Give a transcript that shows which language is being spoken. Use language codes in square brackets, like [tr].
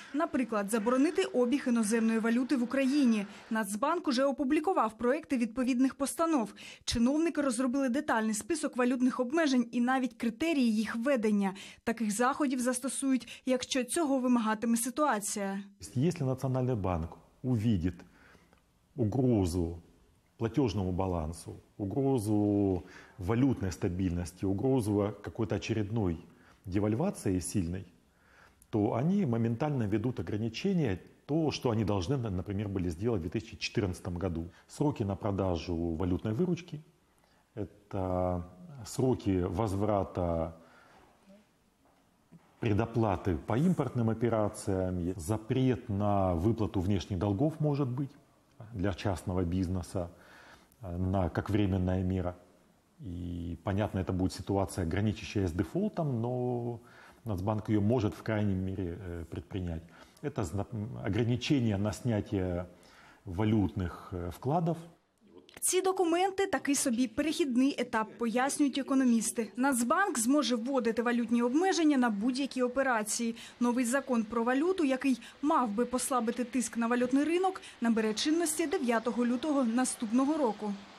[uk] Наприклад, заборонити обіг іноземної валюти в Україні. Нацбанк уже опублікував проекти відповідних постанов. Чиновники розробили детальний список валютних обмежень і навіть критерії їх введення. Таких заходів застосують, якщо цього вимагатиме ситуація. [ru] Якщо Національний банк побачить загрозу платежному балансу, угрозу валютной стабильности, угрозу какой-то очередной девальвации сильной, то они моментально ведут ограничения, то, что они должны, например, были сделать в 2014 году. Сроки на продажу валютной выручки, это сроки возврата предоплаты по импортным операциям, запрет на выплату внешних долгов может быть для частного бизнеса, на как временная мера. И понятно, это будет ситуация, граничащая с дефолтом, но Нацбанк ее может в крайней мере предпринять. Это ограничение на снятие валютных вкладов. [uk] Ці документи – такий собі перехідний етап, пояснюють економісти. Нацбанк зможе вводити валютні обмеження на будь-які операції. Новий закон про валюту, який мав би послабити тиск на валютний ринок, набере чинності 9 лютого наступного року.